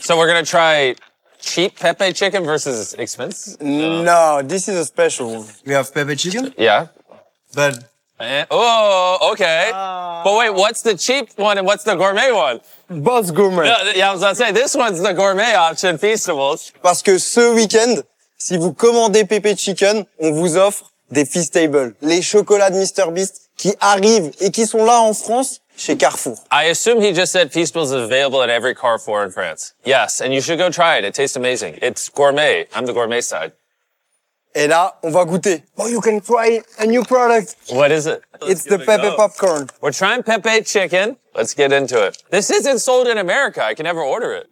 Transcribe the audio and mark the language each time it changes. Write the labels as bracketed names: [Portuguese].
[English] So we're gonna try cheap Pepe Chicken versus expensive? No, this is a special one. We have Pepe Chicken? Yeah. But... Oh, okay. But wait, what's the cheap one and what's the gourmet one? Both gourmet. Yeah, I was gonna say, this one's the gourmet option, Feastables. [French] Parce que ce week-end, si vous commandez Pepe Chicken, on vous offre des Feastables. Les chocolats de Mr. Beast qui arrivent et qui sont là en France chez Carrefour. [English] I assume he just said Feastables is available at every Carrefour in France. Yes, and you should go try it. It tastes amazing. It's gourmet. I'm the gourmet side. [French] Et là, on va goûter. [English] Oh, you can try a new product. What is it? It's the Pepe popcorn. We're trying Pepe chicken. Let's get into it. This isn't sold in America. I can never order it.